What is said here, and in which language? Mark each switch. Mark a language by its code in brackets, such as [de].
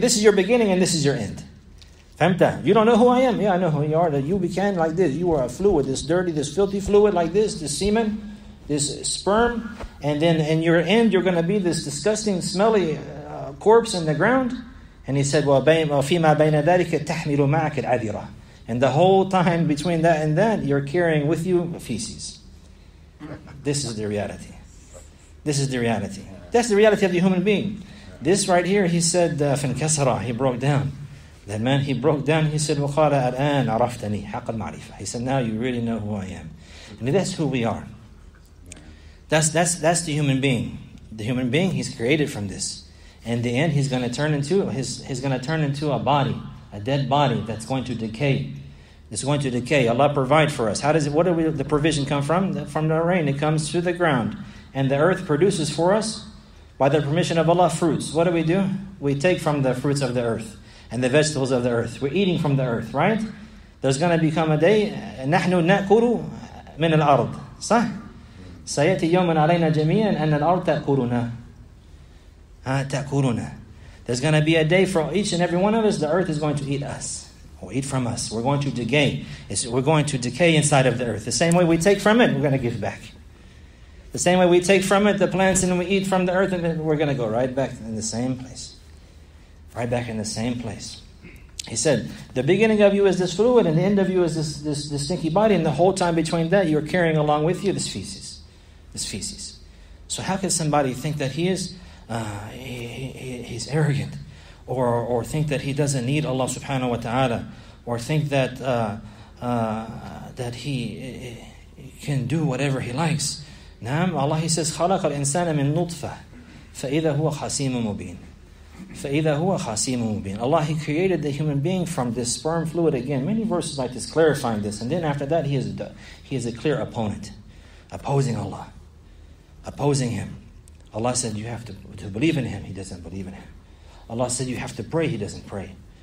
[en] This is your beginning and this is your end. Femta. You don't know who I am? Yeah, I know who you are. That you began like this. You are a fluid. This dirty, this filthy fluid like this. This semen. This sperm. And then in your end, you're going to be this disgusting, smelly corpse in the ground. And he said, [ar] وَفِيمَا بَيْنَ ذَلِكَ تَحْمِلُ مَعَكَ الْعَذِرَةِ. [en] And the whole time between that and that, you're carrying with you feces. This is the reality. That's the reality of the human being. This right here, he said, [ar] فَانْكَسَرَ. [en] He broke down. That man, he broke down. He said, [ar] وَقَالَ أَلْآنَ عَرَفْتَنِي حَقَ الْمَعْرِفَةِ. [en] He said, "Now you really know who I am." And that's who we are. That's the human being. The human being, he's created from this. In the end, he's going to turn into a body, a dead body that's going to decay. It's going to decay. Allah provide for us. The provision come from? From the rain. It comes through the ground. And the earth produces for us, by the permission of Allah, fruits. What do? We take from the fruits of the earth and the vegetables of the earth. We're eating from the earth, right? There's going to become a day, [ar] نَحْنُ نَأْكُرُ مِنَ الْأَرْضِ صح؟ سَيَتِي يَوْمًا عَلَيْنَا جَمِيعًا أَنَّ الْأَرْضَ تَأْكُرُنَا. [en] There's going to be a day for each and every one of us. The earth is going to eat us, or eat from us. We're going to decay. We're going to decay inside of the earth. The same way we take from it, we're going to give back. The same way we take from it, the plants, and we eat from the earth, and then we're going to go right back in the same place. Right back in the same place. He said, the beginning of you is this fluid, and the end of you is this stinky body, and the whole time between that, you're carrying along with you this feces. This feces. So how can somebody think that he is... He's arrogant, or think that he doesn't need Allah subhanahu wa ta'ala, or think that that he can do whatever he likes. [ar] Naam, [en] Allah, he says, [ar] خَلَقَ الْإِنسَانَ مِن نُطْفَةِ فَإِذَا هُوَ خَسِيمٌ مُبِينٌ فَإِذَا هُوَ خَسِيمٌ مُبِينٌ. [en] Allah, he created the human being from this sperm fluid. Again, many verses like this clarifying this, and then after that he is a clear opponent, opposing Allah, opposing him. Allah said, you have to believe in him. He doesn't believe in him. Allah said, you have to pray. He doesn't pray.